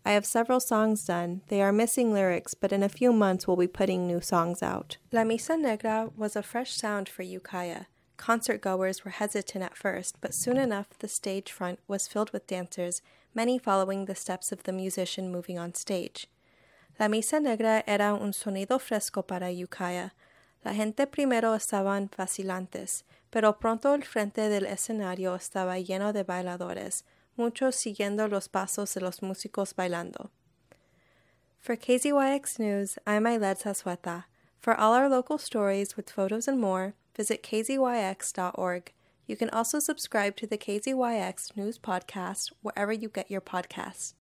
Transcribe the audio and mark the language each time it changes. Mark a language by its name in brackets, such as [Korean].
[English] I have several songs done. They are missing lyrics, but in a few months we'll be putting new songs out. La Misa Negra was a fresh sound for Ukaya. Concert goers were hesitant at first, but soon enough the stage front was filled with dancers, many following the steps of the musician moving on stage. [Spanish] La Misa Negra era un sonido fresco para Ukaya. La gente primero estaban vacilantes, pero pronto el frente del escenario estaba lleno de bailadores, muchos siguiendo los pasos de los músicos bailando. [English] For KZYX News, I'm Ailed Sasueta. For all our local stories with photos and more, visit kzyx.org. You can also subscribe to the KZYX News Podcast wherever you get your podcasts.